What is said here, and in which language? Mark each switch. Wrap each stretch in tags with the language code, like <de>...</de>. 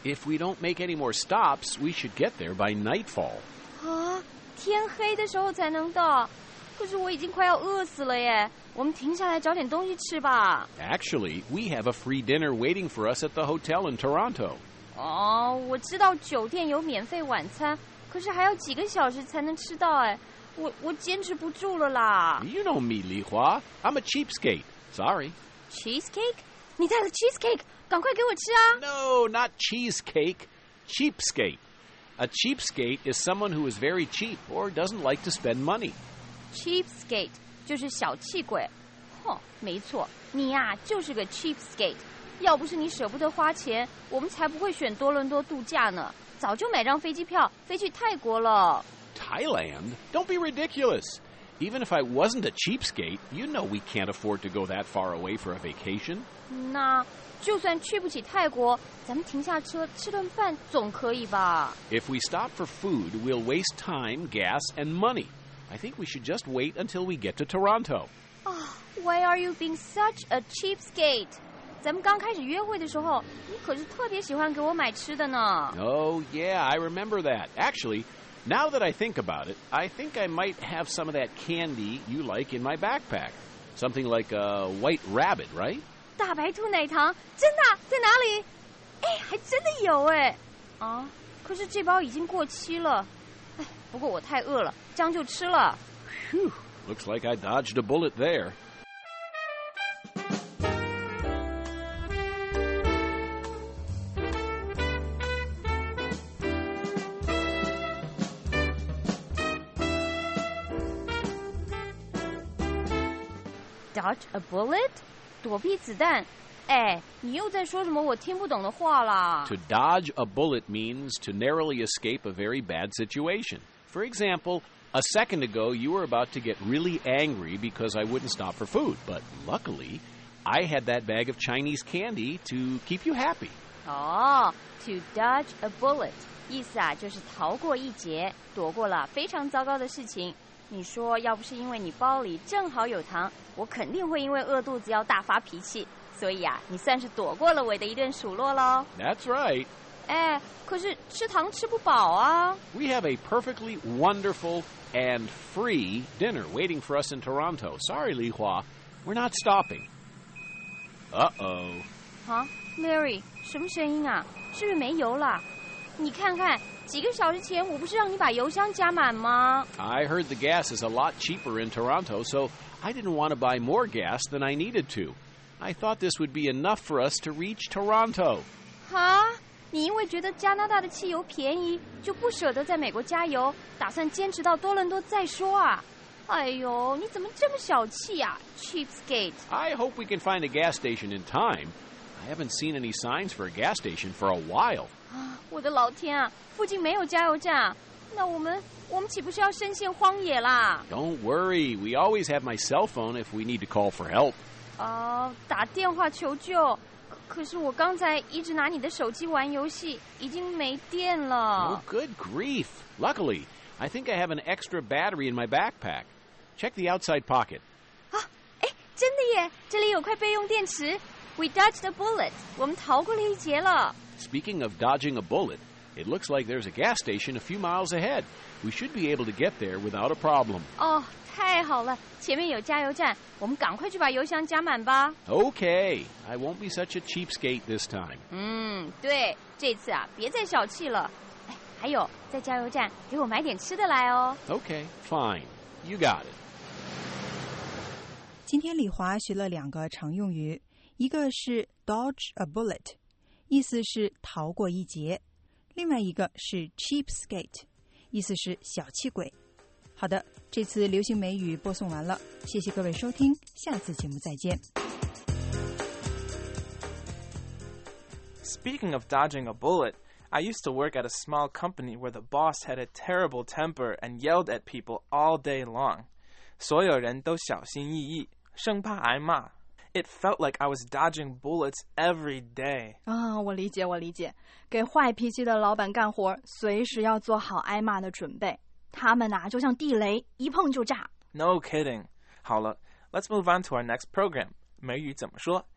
<en>If we don't make any more stops, we should get there by nightfall.</en> <zh>啊，天黑的时候才能到，可是我已经快要饿死了耶。我们停下来找点东西吃吧。</zh> <en>Actually, we have a free dinner waiting for us at the hotel in Toronto.</en> <zh>哦，我知道酒店有免费晚餐，可是还要几个小时才能吃到哎，我坚持不住了啦。</zh> <en>You know me, Li Hua. I'm a cheapskate. Sorry.</en> <zh>Cheesecake? 你带了 cheesecake? 赶快给我吃啊。</zh> <en>No, not cheesecake. Cheapskate. A cheapskate is someone who is very cheap or doesn't like to spend money.</en> <zh>Cheapskate. 就是小气鬼，哼，没错，你呀、啊、就是个 cheapskate。要不是你舍不得花钱，我们才不会选多伦多度假呢，早就买张飞机票飞去泰国了。</zh> <en>Thailand? Don't be ridiculous. Even if I wasn't a cheapskate, you know we can't afford to go that far away for a vacation. 那就算去不起泰国，咱们停下车吃顿饭总可以吧。 If we stop for food, we'll waste time, gas, and money.I think we should just wait until we get to Toronto. Why are you being such a cheapskate?</en> <zh>咱们刚开始约会的时候，你可是特别喜欢给我买吃的呢。</zh> <en>Oh, yeah, I remember that. Actually, now that I think about it, I think I might have some of that candy you like in my backpack. Something like a white rabbit, right?</en> <zh>大白兔奶糖，真的，在哪里？哎，还真的有哎。啊，可是这包已经过期了。哎，不过我太饿了，这样就吃了。</zh> <en>Phew, looks like I dodged a bullet there.</en> <zh>Dodge a bullet? 躲避子弹？哎，你又在说什么我听不懂的话啦</zh> <en>To dodge a bullet means to narrowly escape a very bad situation. For example, a second ago you were about to get really angry because I wouldn't stop for food. But luckily, I had that bag of Chinese candy to keep you happy. Oh, to dodge a bullet.</en> <zh>意思啊，就是逃过一劫，躲过了非常糟糕的事情。你说要不是因为你包里正好有糖，我肯定会因为饿肚子要大发脾气。所以啊，你算是躲过了我的一顿数落喽。</zh> <en>That's right.</en> <zh>哎，可是吃糖吃不饱啊。</zh> <en>We have a perfectly wonderful and free dinner waiting for us in Toronto. Sorry, Li Hua, we're not stopping. Uh-oh.</en> <zh>Huh, Mary, 什么声音啊？是不是没油了？你看看，几个小时前我不是让你把油箱加满吗</zh> <en>？I heard the gas is a lot cheaper in Toronto, so I didn't want to buy more gas than I needed to. I thought this would be enough for us to reach Toronto. 哈？</en> <zh>你因为觉得加拿大的汽油便宜，就不舍得在美国加油，打算坚持到多伦多再说啊？哎呦，你怎么这么小气啊 ，cheapskate！</zh> <en>I hope we can find a gas station in time. I haven't seen any signs for a gas station for a while.</en> <zh>我的老天啊，附近没有加油站，那我们岂不是要深陷荒野啦</zh> <en>？Don't worry, we always have my cell phone if we need to call for help.</en> <zh>哦、打电话求救，可是我刚才一直拿你的手机玩游戏，已经没电了。</zh> <en>Oh, good grief! Luckily, I think I have an extra battery in my backpack. Check the outside pocket.</en> <zh>啊，哎，真的耶，这里有块备用电池。</zh> <en>We dodged a bullet.</en> <zh>我们逃过了一劫了。</zh> <en>Speaking of dodging a bullet, it looks like there's a gas station a few miles ahead. We should be able to get there without a problem.</en> <zh>Oh, 太好了，前面有加油站，我们赶快去把油箱加满吧。</zh> <en>Okay, I won't be such a cheapskate this time.</en> <zh>嗯，对，这次啊，别再小气了。哎，还有，在加油站给我买点吃的来哦。</zh> <en>Okay, fine. You got it.</en> <zh>今天李华学了两个常用语，一个是 dodge a bullet。意思是逃过一劫，另外一个是 cheapskate， 意思是小气鬼。好的，这次流行美语播送完了，谢谢各位收听，下次节目再见。</zh> <en>Speaking of dodging a bullet, I used to work at a small company where the boss had a terrible temper and yelled at people all day long.</en> <zh>所有人都小心翼翼，生怕挨骂。</zh> <en>It felt like I was dodging bullets every day.</en> <zh>啊、oh, ，我理解，我理解。给坏脾气的老板干活，随时要做好挨骂的准备。他们呐、啊，就像地雷，一碰就炸。</zh> <en>No kidding.</en> <zh>好了</zh> <en>，Let's move on to our next program.</en> <zh>美语怎么说？</zh>